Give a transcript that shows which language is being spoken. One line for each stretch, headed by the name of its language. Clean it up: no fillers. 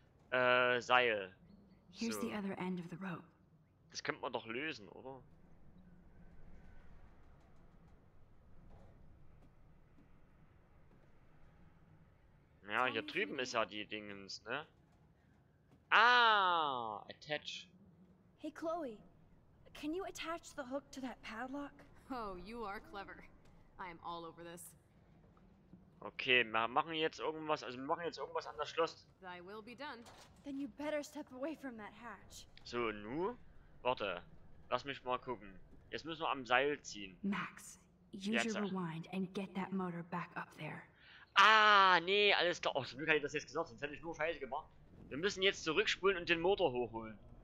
German: Seil.
English: Here's the other end of the rope.
German: Das könnte man doch lösen, oder? Ja, hier drüben ist ja die Dingens, ne?
English: Ah, attach. Hey Chloe, can you attach the hook to that padlock? Oh, you are clever. I am all over this.
German: Okay, wir machen jetzt irgendwas an das Schloss.
English: I will be done. Then you better step away from that hatch.
German: So, nu? Warte, lass mich mal gucken. Jetzt müssen wir am Seil ziehen.
English: Max, use your rewind and get that motor back up there.
German: Ah, nee, alles klar. Oh, zum Glück hatte ich das jetzt gesagt, sonst hätte ich nur Scheiße gemacht. Wir müssen jetzt zurückspulen und den Motor hochholen.